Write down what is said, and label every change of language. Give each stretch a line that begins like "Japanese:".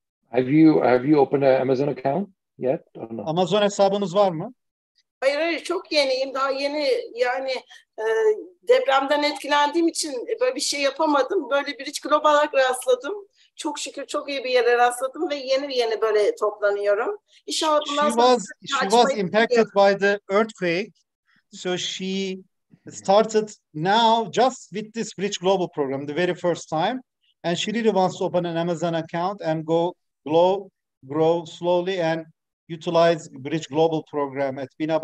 English: Have you opened an Amazon account yet or no?
Turkish: Amazon hesabınız var mı? Hayır, çok yeniyim. Daha yeni yani depremden etkilendiğim için böyle bir şey yapamadım. Böyle bir hiç globala rastladım. Çok şükür çok iyi bir yere rastladım ve yeni böyle toplanıyorum. İnşallah bundan sonra
English: she was impacted by the earthquake. So she started now just with this Bridge Global program, the very first time. And she really wants to open an Amazon account and grow slowly and utilize Bridge Global program at Bina.